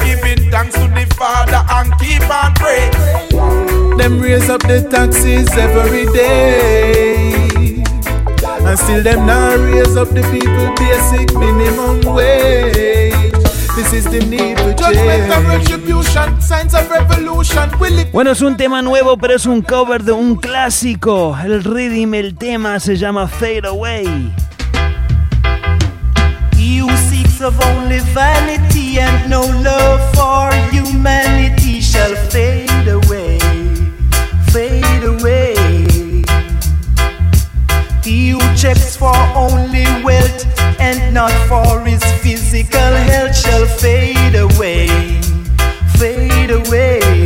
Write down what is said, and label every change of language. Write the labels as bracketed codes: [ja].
[en] Giving thanks to the Father and keep on. Them raise up the taxes every day, and still them now raise up the people basic minimum wage. This is the need to change. Judgment and retribution, signs of revolution. Will it... [es] Bueno, es un tema nuevo, pero es un cover de un clásico. El rhythm, el tema se llama Fade Away. [en] He who seeks of only vanity and no love for humanity shall fade away, fade away. He who checks for only wealth and not for his physical health shall fade away, fade away.